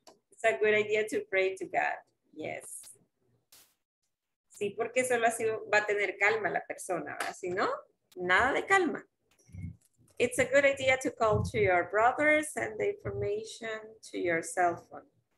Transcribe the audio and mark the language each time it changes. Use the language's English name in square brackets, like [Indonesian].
[English] It's a good idea to pray to God. Yes. [Spanish] Sí, porque solo así va a tener calma la persona, ¿verdad? Si no, nada de calma. [English] It's a good idea to call to your brother, send the information to your cell phone.